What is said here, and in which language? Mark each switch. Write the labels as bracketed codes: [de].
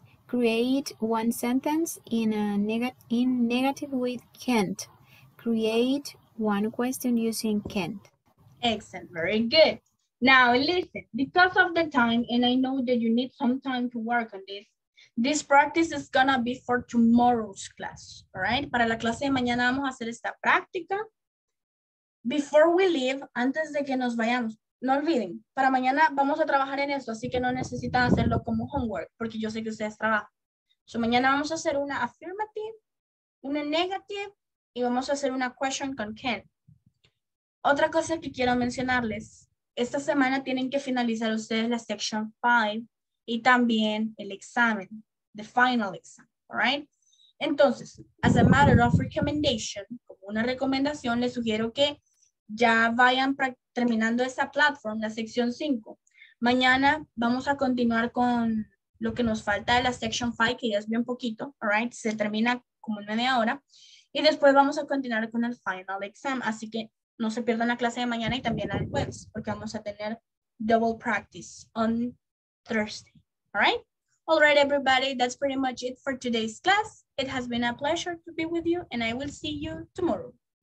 [en] Create one sentence in negative with can't. Create one question using can't. Excellent. Very good. Now listen, because of the time, and I know that you need some time to work on this, this practice is gonna be for tomorrow's class, all right? [es] Para la clase de mañana vamos a hacer esta práctica. [en] Before we leave, [es] antes de que nos vayamos, no olviden, para mañana vamos a trabajar en esto, así que no necesitan hacerlo como homework, porque yo sé que ustedes trabajan. So mañana vamos a hacer una affirmative, una negative, y vamos a hacer una question con can. Otra cosa que quiero mencionarles, esta semana tienen que finalizar ustedes la section 5 y también el examen, [en] the final exam, all right? [es] Entonces, [en] as a matter of recommendation, [es] como una recomendación, les sugiero que ya vayan terminando esa platform, la sección 5. Mañana vamos a continuar con lo que nos falta de la section 5, que ya es bien poquito, [en] all right? [es] Se termina como en media hora. Y después vamos a continuar con el final exam, así que no se pierdan la clase de mañana y también el jueves, porque vamos a tener [en] double practice on Thursday. All right? All right, everybody. That's pretty much it for today's class. It has been a pleasure to be with you, and I will see you tomorrow.